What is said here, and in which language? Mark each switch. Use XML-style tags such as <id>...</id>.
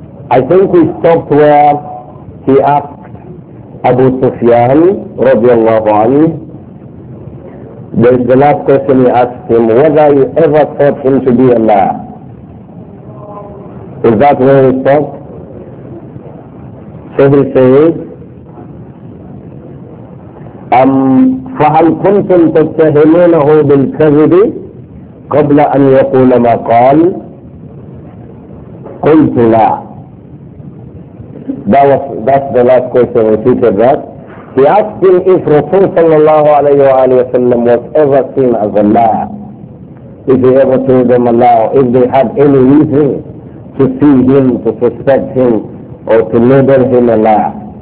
<en>I think we stopped where he asked Abu Sufyan radiallahu anhu. The last question he asked him, whether you ever thought him to be a liar. Is that where we stopped? So he said,</en> <ar>فَهَلْ كُنْتُمْ تَتَّهِمُونَهُ بِالْكَذِبِ قَبْلَ أَنْ يَقُولَ مَا قَالَ قلت لا.</ar> <en>That's the last question repeated that. He asked him if Rasul sallallahu alayhi wa sallam was ever seen as a liar. If he ever told them a liar, if they had any reason to see him, to suspect him, or to label him a liar.</en>